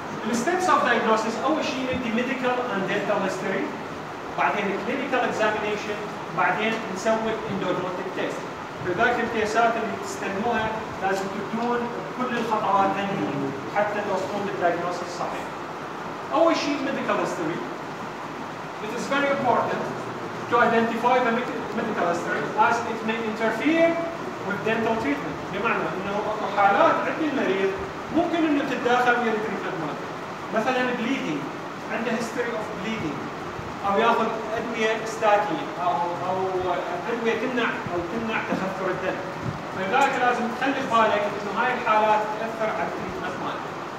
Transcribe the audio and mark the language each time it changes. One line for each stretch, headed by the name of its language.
Arabic: الستيبس اوف دايجنوستيس، اول شيء عندي ميديكال اند دنتال هيستوري، بعدين كلينيكال اكزامينيشن، بعدين نسوي اندودوتيك تيست. لذلك القياسات اللي تستخدموها لازم تكون كل الخطوات هذه حتى توصلون للدايجنوستيس الصحيح. اول شيء ميديكال هيستوري.
English: It is very important to identify the medical history as it may interfere with dental treatment.
Arabic: بمعنى انه اكو حالات عند المريض ممكن انه تتداخل ويا التريتمنت مالته. مثلا بليدنج، عنده
English: history of bleeding،
Arabic: او ياخذ ادويه statin او ادويه تمنع تخثر الدم. فلذلك لازم تخلي بالك انه هاي الحالات تاثر على التريتمنت مالته.